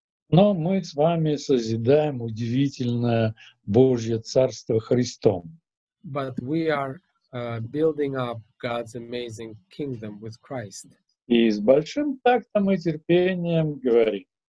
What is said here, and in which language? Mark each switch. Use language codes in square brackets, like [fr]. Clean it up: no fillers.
[ru] Но мы с вами созидаем удивительное Божье Царство Христом. [en] But we are building up God's amazing kingdom with Christ. [ru] И с большим тактом и терпением говорим.